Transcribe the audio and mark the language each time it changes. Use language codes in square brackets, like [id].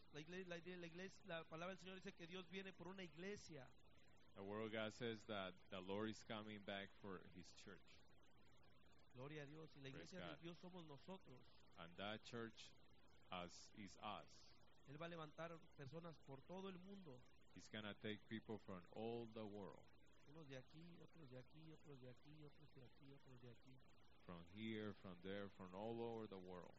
[es] La palabra del Señor dice que Dios viene por una iglesia. [en] The word of God says that the Lord is coming back for his church. [es] Gloria a Dios. Y la iglesia de Dios somos nosotros. [en] And that church is us. [es] Él va a levantar personas por todo el mundo. [en] He's going to take people from all the world. [es] Unos de aquí, otros de aquí, otros de aquí, otros de aquí, otros de aquí. [en] From here, from there, from all over the world.